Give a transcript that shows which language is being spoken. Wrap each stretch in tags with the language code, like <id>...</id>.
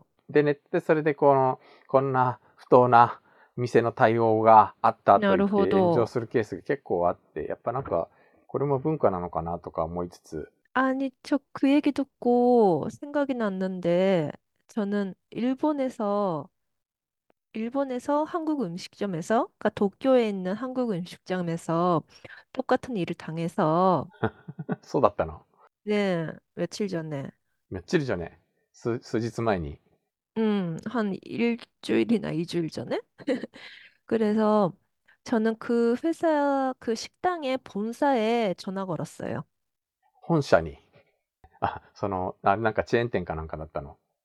<ja>で、ネットでそれでこんな不当な店の対応があったと言って炎上するケースが結構あって、やっぱなんか、これも文化なのかなとか思いつつ。</ja> <ko>아니저그얘기듣고생각이났는데저는일본에서한국음식점에서그러니까도쿄에있는한국음식점에서똑같은일을당해서</ko> <ja>そうだったの?</ja> <ko>네며칠전에 며칠전에</ko> <ja>数日前に</ja> <ko>한일주일이나2주일전에 그래서저는그회사그식당의본사에전화걸었어요</ko> <ja>本社に。あ、その、あ、なんかチェーン店かなんかだったの?</ja>